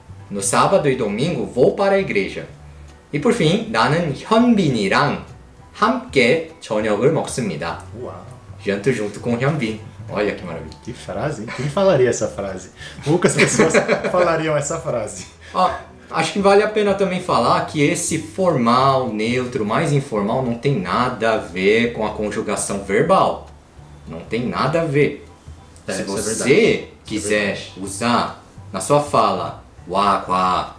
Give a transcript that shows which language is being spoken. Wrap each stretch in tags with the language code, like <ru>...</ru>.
<pt>No sábado e domingo vou para a igreja.</pt> <ko>E por fim, 나는 현빈이랑 함께 저녁을 먹습니다.</ko> <pt>Janto junto com o Hyunbin. Olha que maravilha. Que frase, hein? Quem falaria essa frase? Poucas pessoas falariam essa frase. Ah, acho que vale a pena também falar que esse formal, neutro, mais informal, não tem nada a ver com a conjugação verbal. Não tem nada a ver. Se você quiser usar na sua fala, wa, qua.</pt>